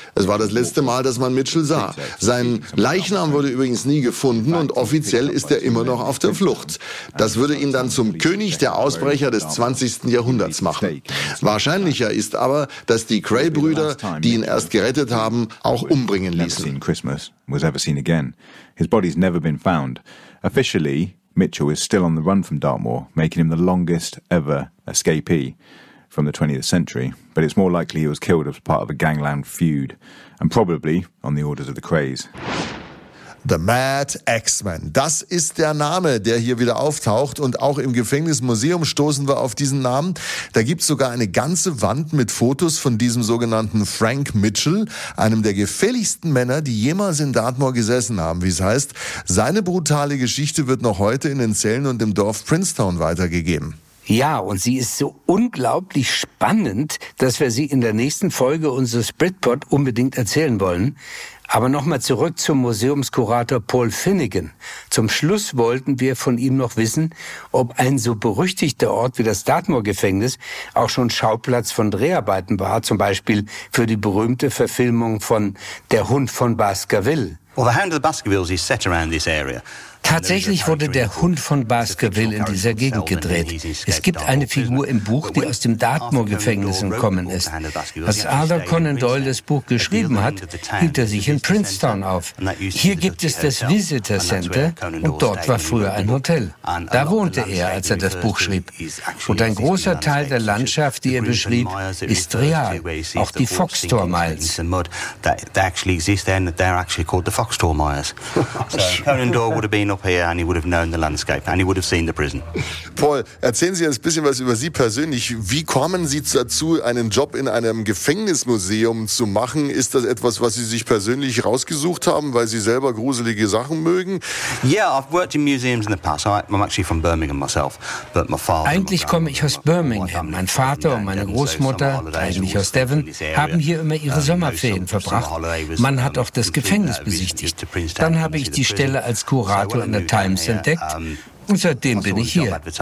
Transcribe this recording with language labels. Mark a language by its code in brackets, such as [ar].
[de] Es war das letzte Mal, dass man Mitchell sah. Sein Leichnam wurde übrigens nie gefunden und offiziell ist er immer noch auf der Flucht. Das würde ihn dann zum König der Ausbrecher des 20. Jahrhunderts machen. Wahrscheinlicher ist aber, dass die Cray-Brüder, die ihn erst gerettet haben, auch umbringen ließen. [en] Was ever seen again. His body's never been found. Officially, Mitchell is still on the run from Dartmoor, making him the longest ever escapee from the 20th century. But it's more likely he was killed as part of a gangland feud, and probably on the orders of the Krays. The Mad X-Man. [de] Das ist der Name, der hier wieder auftaucht. Und auch im Gefängnismuseum stoßen wir auf diesen Namen. Da gibt's sogar eine ganze Wand mit Fotos von diesem sogenannten Frank Mitchell, einem der gefährlichsten Männer, die jemals in Dartmoor gesessen haben, wie es heißt. Seine brutale Geschichte wird noch heute in den Zellen und im Dorf Princetown weitergegeben. Ja, und sie ist so unglaublich spannend, dass wir sie in der nächsten Folge unseres Britpod unbedingt erzählen wollen. Aber nochmal zurück zum Museumskurator Paul Finnegan. Zum Schluss wollten wir von ihm noch wissen, ob ein so berüchtigter Ort wie das Dartmoor-Gefängnis auch schon Schauplatz von Dreharbeiten war, zum Beispiel für die berühmte Verfilmung von Der Hund von Baskerville. [en] Well, The Hound of the Baskervilles is set around this area. [de] Tatsächlich wurde Der Hund von Baskerville in dieser Gegend gedreht. Es gibt eine Figur im Buch, die aus dem Dartmoor-Gefängnis entkommen ist. Als Arthur Conan Doyle das Buch geschrieben hat, hielt er sich in Princetown auf. Hier gibt es das Visitor Center und dort war früher ein Hotel. Da wohnte er, als er das Buch schrieb. Und ein großer Teil der Landschaft, die er beschrieb, ist real. Auch die Foxtor Miles. Paul, erzählen Sie jetzt ein bisschen was über Sie persönlich. Wie kommen Sie dazu, einen Job in einem Gefängnismuseum zu machen? Ist das etwas, was Sie sich persönlich rausgesucht haben, weil Sie selber gruselige Sachen mögen? [en] Yeah, I've worked in museums in the past. I'm actually from Birmingham myself, but my father. [de] Eigentlich komme ich aus Birmingham. Mein Vater und meine Großmutter, eigentlich aus Devon, haben hier immer ihre Sommerferien verbracht. Man hat auch das Gefängnis besichtigt. Dann habe ich die Stelle als Kurator in der Times entdeckt und seitdem bin ich hier.